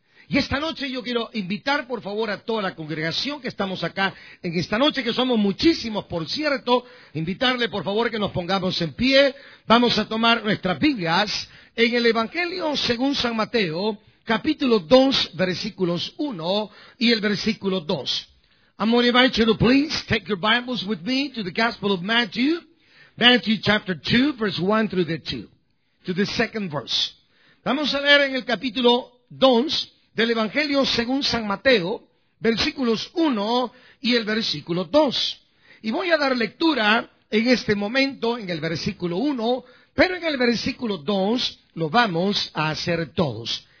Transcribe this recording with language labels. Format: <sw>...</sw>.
<es>Y esta noche yo quiero invitar, por favor, a toda la congregación que estamos acá en esta noche, que somos muchísimos, por cierto, invitarle, por favor, que nos pongamos en pie. Vamos a tomar nuestras Biblias en el Evangelio según San Mateo, capítulo 2, versículos 1 y el versículo 2.</es> <en>I'm going to invite you to please take your Bibles with me to the Gospel of Matthew, Matthew chapter 2, verse 1 through the 2, to the second verse.</en> <es>Vamos a leer en el capítulo 2 del Evangelio según San Mateo, versículos 1 y el versículo 2. Y voy a dar lectura en este momento en el versículo 1, pero en el versículo 2 lo vamos a hacer todos.</es>